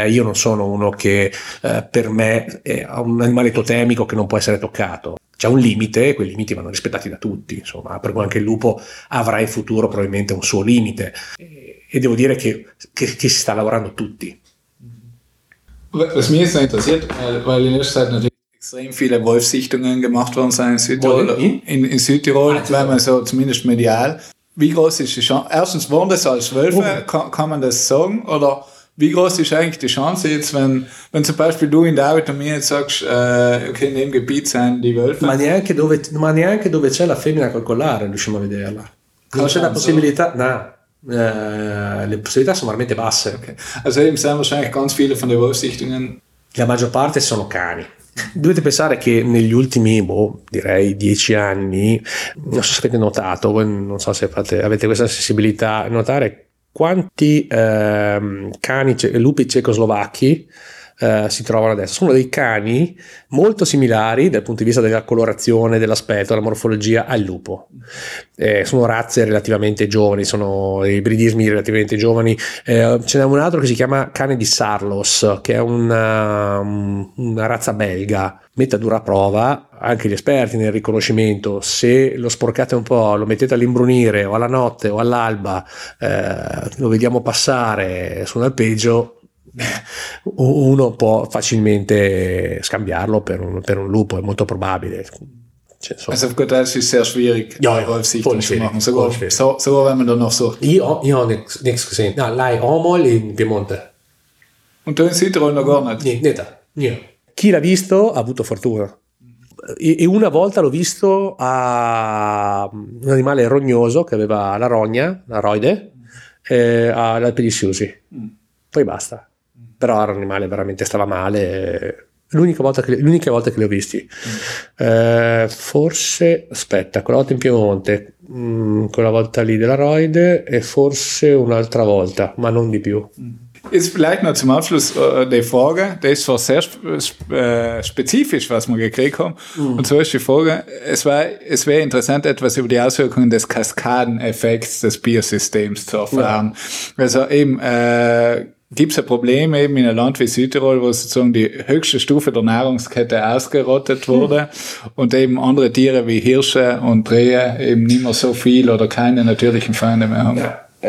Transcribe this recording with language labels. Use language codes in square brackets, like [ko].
[it] Io non sono uno che per me è un animale totemico che non può essere toccato. C'è un limite, quei limiti vanno rispettati da tutti, insomma, per cui anche il lupo avrà in futuro probabilmente un suo limite. E devo dire che si sta lavorando tutti. [de] Was mich jetzt interessiert, weil in der Zeit natürlich extrem viele Wolfsichtungen gemacht worden sind in Südtirol. In Südtirol, weil man so zumindest medial. Wie groß ist die Chance? Erstens, waren das als Wölfe? Kann man das sagen? Oder wie groß ist eigentlich die Chance jetzt, wenn zum Beispiel du in der Arbeit und mir jetzt sagst, okay, in dem Gebiet sind die Wölfe? [it] Ma neanche dove c'è la femmina col collare, riusciamo a vederla. Non c'è la possibilità? No. Le possibilità sono veramente basse. [de] Okay. Also eben, sind wahrscheinlich ganz viele von den Wolfsichtungen. [it] La maggior parte sono cani. Dovete pensare che negli ultimi, direi 10 anni, non so se avete notato, non so se avete questa sensibilità, notare quanti cani, lupi cecoslovacchi si trovano adesso. Sono dei cani molto similari dal punto di vista della colorazione, dell'aspetto, della morfologia al lupo. Sono razze relativamente giovani, sono ibridismi relativamente giovani. Ce n'è un altro che si chiama cane di Sarlos, che è una razza belga. Mette a dura prova anche gli esperti nel riconoscimento. Se lo sporcate un po', lo mettete all'imbrunire o alla notte o all'alba, lo vediamo passare su un alpeggio, uno può facilmente scambiarlo per un lupo, è molto probabile. [de] Also auf gut Deutsch ist sehr schwierig, ja, ja, Wolfsichtung zu machen. Sogar wenn man dann noch so. [it] Io [de] nichts gesehen. [it] No, lei [de] einmal [it] in Piemonte. [de] Und du in Südtirol noch gar nicht? [it] Niente. Chi l'ha visto ha avuto fortuna. E una volta l'ho visto a un animale rognoso che aveva la rogna, la roide, all'Alpe di Siusi. Poi basta. Però era un animale veramente, stava male. L'unica volta che li ho visti. Forse, aspetta, quella volta in Piemonte, quella volta lì della Roide, e forse un'altra volta, ma non di più. [de] Ist vielleicht noch zum Abschluss die Frage, das war sehr spezifisch, was wir gekriegt haben. Und so ist die Frage, es wäre interessant, etwas über die Auswirkungen des Kaskadeneffekts des Biosystems zu erfahren. Ja. Also eben, gibt es ein Problem eben in einem Land wie Südtirol, wo sozusagen die höchste Stufe der Nahrungskette ausgerottet wurde und eben andere Tiere wie Hirsche und Rehe eben nicht mehr so viel oder keine natürlichen Feinde mehr haben? Ja.